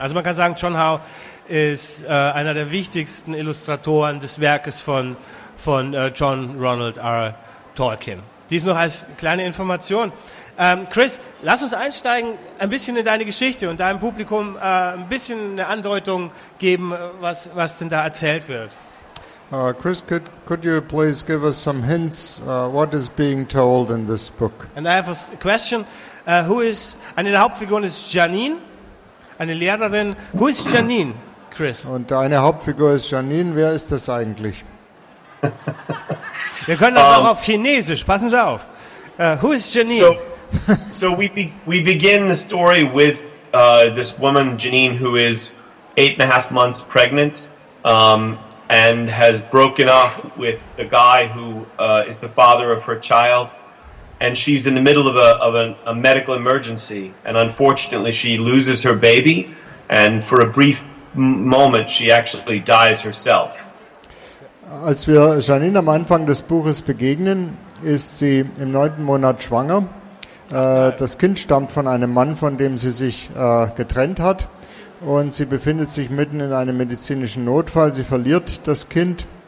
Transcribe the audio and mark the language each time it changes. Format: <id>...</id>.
<de>Also man kann sagen, John Howe ist einer der wichtigsten Illustratoren des Werkes von John Ronald R. Tolkien. Dies noch als kleine Information. Chris, lass uns einsteigen ein bisschen in deine Geschichte und deinem Publikum ein bisschen eine Andeutung geben, was denn da erzählt wird.</de> <en>Chris, could you please give us some hints what is being told in this book? And I have a question.</en> <de>Eine der Hauptfiguren ist Janine, eine Lehrerin.</de> <en>Who is Janine, Chris?</en> <de>Und eine Hauptfigur ist Janine. Wer ist das eigentlich? Wir können das auch auf Chinesisch. Passen Sie auf.</de> <en>Who is Janine? So we begin the story with this woman Janine, who is 8.5 months pregnant and has broken off with the guy who is the father of her child, and she's in the middle of a medical emergency, and unfortunately she loses her baby, and for a brief moment she actually dies herself.</en> <de>Als wir Janine am Anfang des Buches begegnen, ist sie im 9. Monat schwanger. Das Kind stammt von einem Mann, von dem sie sich getrennt hat. Und sie befindet sich mitten in einem medizinischen Notfall. Sie verliert das Kind.</de>